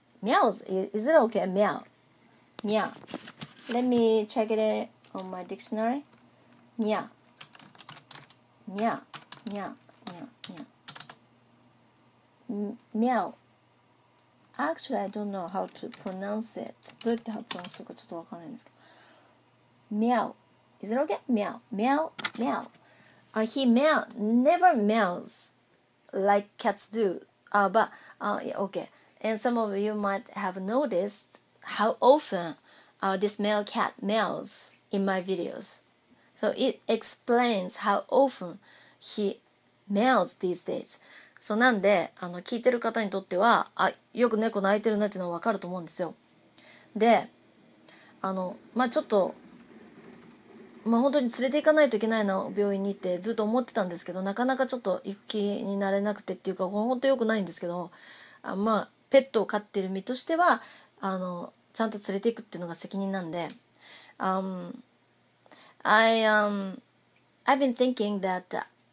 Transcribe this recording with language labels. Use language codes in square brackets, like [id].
[en] Meows? Is it okay? Meow. Yeah. Let me check it on my dictionary. Yeah. にゃにゃにゃにゃ meow. Actually, I don't know how to pronounce it. [ja] どうやって発音するかちょっとわかんないんですけど。 [en] meow. Is it okay? meow. meow. meow. He meow never meows like cats do. Yeah, okay. And some of you might have noticed how often this male cat meows in my videos. So it explains how often he meows these days. [ja] So なんで聞いてる方にとっては、あ、よく猫鳴いてるなっていうのは分かると思うんですよ。で、まあちょっと、まあ本当に連れて行かないといけないな、病院に行ってずっと思ってたんですけど、なかなかちょっと行く気になれなくてっていうか、本当よくないんですけど、まあペットを飼ってる身としては、ちゃんと連れて行くっていうのが責任なんで、 [en] I've been thinking that